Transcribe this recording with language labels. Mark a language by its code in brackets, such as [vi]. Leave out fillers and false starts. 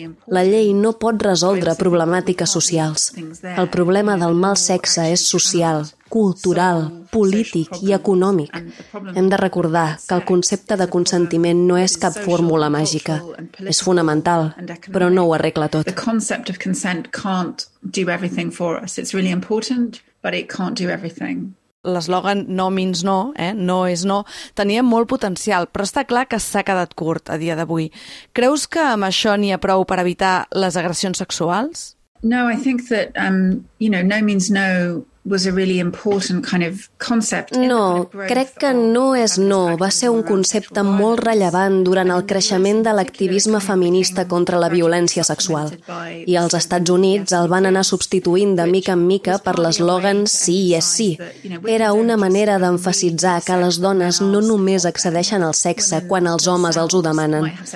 [ca] La llei no pot resoldre problemàtiques socials. El problema del mal sexe és social, cultural, polític i econòmic. Hem de recordar que el concepte de consentiment no és cap fórmula màgica. És fonamental, però no ho arregla tot. [en] The concept of consent can't do everything for us. It's really important, but it can't do everything. [ca] L'eslògan [en] no means no, [ca] no és no, tenia molt potencial, però està clar que s'ha quedat curt a dia d'avui. Creus que amb això n'hi ha prou per evitar les agressions sexuals? [en] No, I think that, you know, no means no [ca] No, crec que no és no. Va ser un concepte molt rellevant durant el creixement de l'activisme feminista contra la violència sexual. I els Estats Units el van anar substituint de mica en mica per l'eslògan «Sí és sí». Era una manera d'emfasitzar que les dones no només accedeixen al sexe quan els homes els ho demanen.